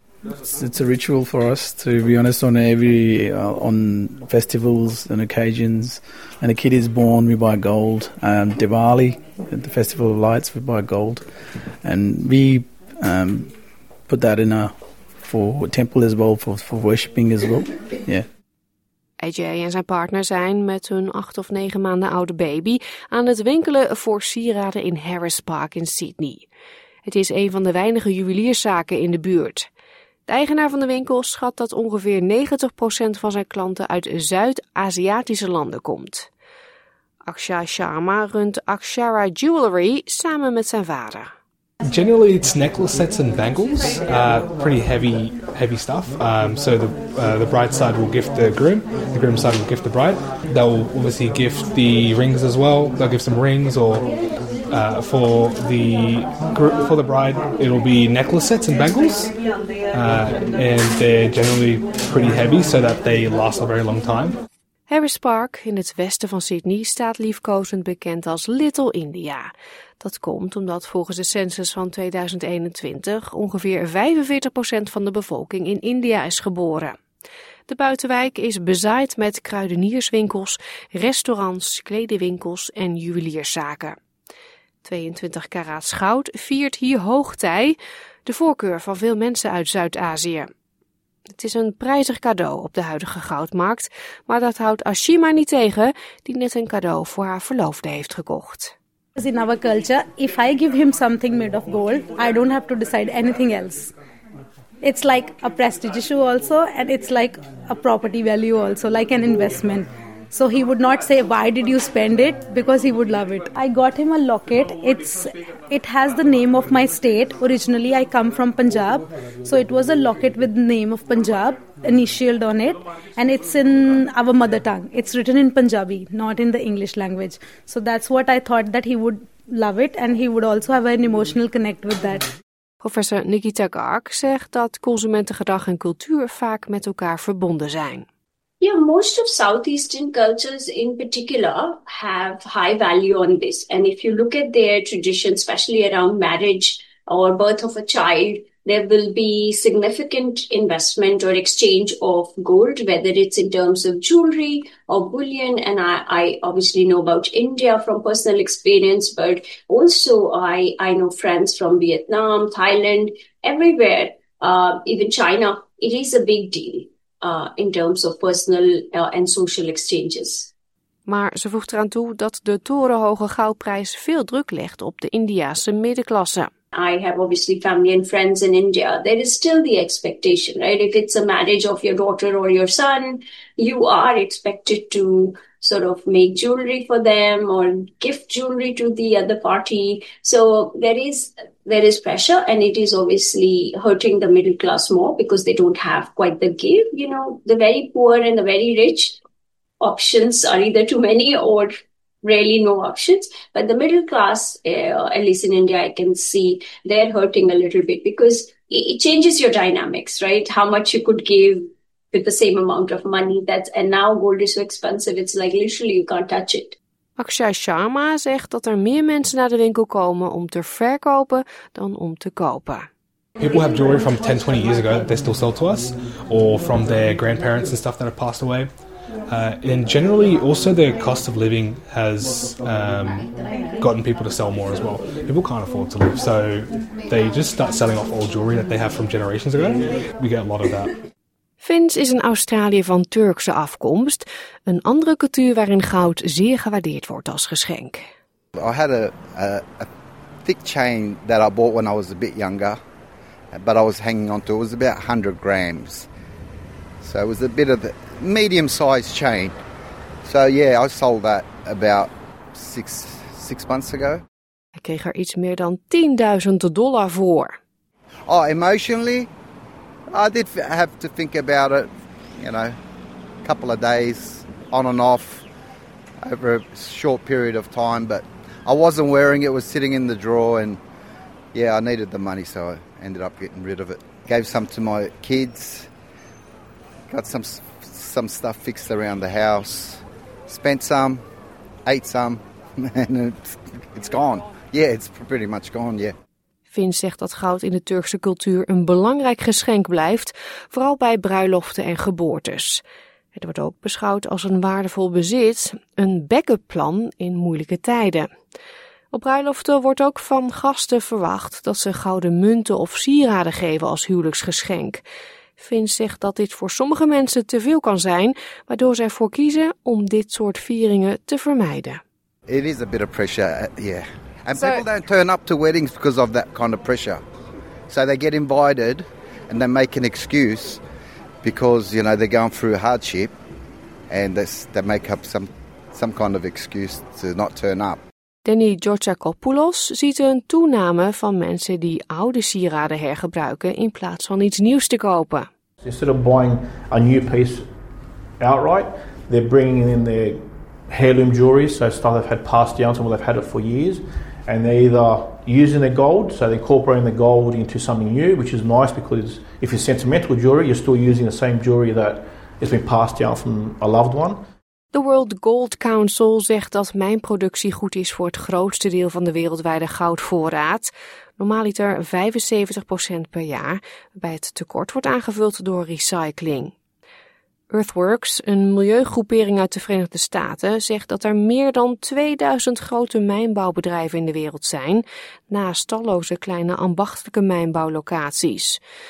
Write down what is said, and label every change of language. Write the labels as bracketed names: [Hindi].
[English] It's a ritual for us, to be honest, on every on festivals and occasions. When a kid is born, we buy gold. Diwali, the Festival of Lights, we buy gold. And we put that in for a temple as well, for worshipping as well. Yeah. [Dutch] AJ en zijn partner zijn met hun 8 of 9 maanden oude baby aan het winkelen voor sieraden in Harris Park in Sydney. Het is een van de weinige juwelierszaken in de buurt. De eigenaar van de winkel schat dat ongeveer 90% van zijn klanten uit Zuid-Aziatische landen komt. Aksha Sharma runt Akshara Jewelry samen met zijn vader. [English] Generally, it's necklace sets and bangles, pretty heavy stuff. So the bride side will gift the groom side will gift the bride. They'll obviously gift the rings as well. They'll give some rings, or for the bride, it'll be necklace sets and bangles, and they're generally pretty heavy so that they last a very long time. [Dutch] Harris Park in het westen van Sydney staat liefkozend bekend als Little India. Dat komt omdat volgens de census van 2021 ongeveer 45% van de bevolking in India is geboren. De buitenwijk is bezaaid met kruidenierswinkels, restaurants, kledingwinkels en juwelierszaken. 22 karaat goud viert hier hoogtij, de voorkeur van veel mensen uit Zuid-Azië. Het is een prijzig cadeau op de huidige goudmarkt, maar dat houdt Ashima niet tegen, die net een cadeau voor haar verloofde heeft gekocht. [English] In our culture, if I give him something made of gold, I don't have to decide anything else. It's like a prestige issue also, and it's like a property value also, like an investment. So he would not say, why did you spend it? Because he would love it. I got him a locket. It has the name of my state. Originally, I come from Punjab. So it was a locket with the name of Punjab initialed on it. And it's in our mother tongue. It's written in Punjabi, not in the English language. So that's what I thought, that he would love it. And he would also have an emotional connect with that. [Dutch] Professor Nikita Garg zegt dat consumentengedrag en cultuur vaak met elkaar verbonden zijn. [English] Yeah, most of Southeastern cultures in particular have high value on this. And if you look at their tradition, especially around marriage or birth of a child, there will be significant investment or exchange of gold, whether it's in terms of jewelry or bullion. And I obviously know about India from personal experience, but also I know friends from Vietnam, Thailand, everywhere, even China. It is a big deal in terms of personal and social exchanges. [Dutch] Maar ze voegt eraan toe dat de torenhoge goudprijs veel druk legt op de Indiase middenklasse. [English] I have obviously family and friends in India. There is still the expectation, right? If it's a marriage of your daughter or your son, you are expected to sort of make jewelry for them or gift jewelry to the other party. So there is pressure, and it is obviously hurting the middle class more because they don't have quite the gift. You know, the very poor and the very rich options are either too many or really no options. But the middle class, at least in India, I can see they're hurting a little bit because it changes your dynamics, right? How much you could give with the same amount of money. And now gold is so expensive, it's like literally you can't touch it. [Dutch] Akshay Sharma zegt dat er meer mensen naar de winkel komen om te verkopen dan om te kopen. [English] People have jewelry from 10, 20 years ago that they still sell to us, or from their grandparents and stuff that have passed away. And generally, also the cost of living has gotten people to sell more as well. People can't afford to live, so they just start selling off old jewelry that they have from generations ago. We get a lot of that. [Dutch] Vince is een Australiër van Turkse afkomst, een andere cultuur waarin goud zeer gewaardeerd wordt als geschenk. [English] I had a thick chain that I bought when I was a bit younger, but I was hanging on to it. It was about 100 grams, so it was a bit of the medium-sized chain. So yeah, I sold that about six months ago. [Dutch] Hij kreeg er iets meer dan $10,000 voor. [English] Oh, emotionally, I did have to think about it, you know, a couple of days on and off over a short period of time, but I wasn't wearing it, was sitting in the drawer, and yeah, I needed the money, so I ended up getting rid of it. Gave some to my kids, got some stuff fixed around the house, spent some, ate some, and it's gone. Yeah, it's pretty much gone, yeah. [Dutch] Vince zegt dat goud in de Turkse cultuur een belangrijk geschenk blijft, vooral bij bruiloften en geboortes. Het wordt ook beschouwd als een waardevol bezit, een backup plan in moeilijke tijden. Op bruiloften wordt ook van gasten verwacht dat ze gouden munten of sieraden geven als huwelijksgeschenk. Vince zegt dat dit voor sommige mensen te veel kan zijn, waardoor zij ervoor kiezen om dit soort vieringen te vermijden. [English] It is a bit of pressure, yeah. And people don't turn up to weddings because of that kind of pressure. So they get invited and they make an excuse because, you know, they're going through hardship and they make up some kind of excuse to not turn up. [Dutch] Danny Georgiakopoulos ziet een toename van mensen die oude sieraden hergebruiken in plaats van iets nieuws te kopen. [English] Instead of buying a new piece outright, they're bringing in their heirloom jewelry, so stuff they've had passed down, some they've had it for years. And they're either using the gold, so they're incorporating the gold into something new, which is nice because if you're sentimental jewelry, you're still using the same jewelry that has been passed down from a loved one. [Dutch] The World Gold Council zegt dat mijnproductie goed is voor het grootste deel van de wereldwijde goudvoorraad. Normaliter 75% per jaar, waarbij het tekort wordt aangevuld door recycling. Earthworks, een milieugroepering uit de Verenigde Staten, zegt dat er meer dan 2000 grote mijnbouwbedrijven in de wereld zijn, naast talloze kleine ambachtelijke mijnbouwlocaties.